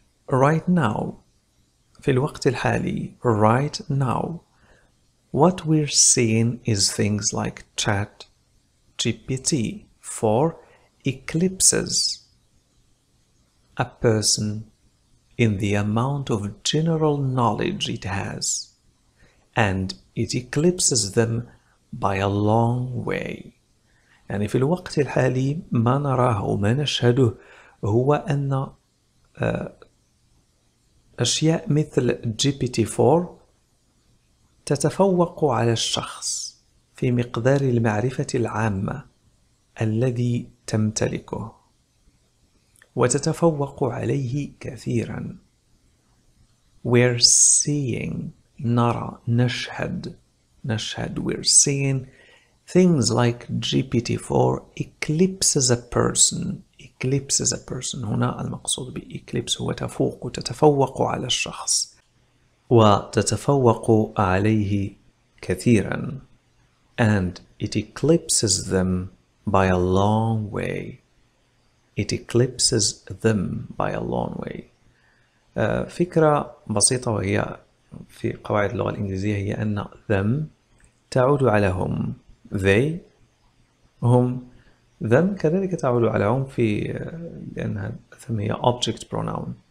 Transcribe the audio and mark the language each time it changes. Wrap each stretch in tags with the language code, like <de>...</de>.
<en>Right now,</en> <ar>في الوقت الحالي,</ar> <en>right now, what we're seeing is things like ChatGPT for eclipses a person in the amount of general knowledge it has, and it eclipses them by a long way.</en> <ar>يعني في الوقت الحالي ما نراه وما نشهده هو أن أشياء مثل GPT-4 تتفوق على الشخص في مقدار المعرفة العامة الذي تمتلكه وتتفوق عليه كثيرا.</ar> <en>We're seeing,</en> <ar>نرى, نشهد,</ar> <en>we're seeing things like GPT-4 eclipses a person. Eclipses a person,</en> <ar>هنا المقصود بإكليبس هو تفوق, تتفوق على الشخص, وتتفوق عليه كثيرا.</ar> <en>And it eclipses them by a long way. It eclipses them by a long way.</en> <ar>فكرة بسيطة وهي في قواعد اللغة الإنجليزية هي أن them تعود على هم. They هم. Them كذلك تعود على هم في لأنها them هي object pronoun.</ar>